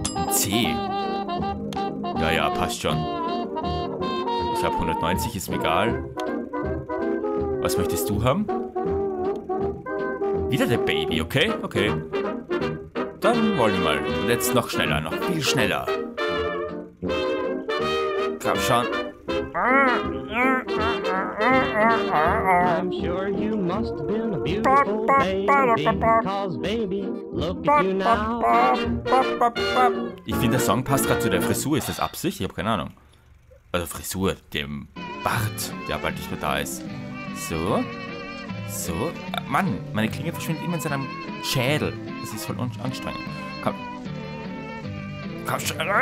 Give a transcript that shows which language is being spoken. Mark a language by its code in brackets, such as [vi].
[de] C. Ja, ja, passt schon. Ich habe 190, ist mir egal. Was möchtest du haben? Wieder der Baby, okay? Okay. Dann wollen wir mal. Und jetzt noch schneller, noch viel schneller. Komm schon. [en] I'm sure you must have been a beautiful baby, 'cause baby, look at you now. [de] Ich finde, der Song passt gerade zu der Frisur. Ist das Absicht? Ich habe keine Ahnung. Also Frisur, dem Bart, der bald nicht mehr da ist. So, so. Mann, meine Klinge verschwindet immer in seinem Schädel. Das ist voll anstrengend. Komm. Komm schon.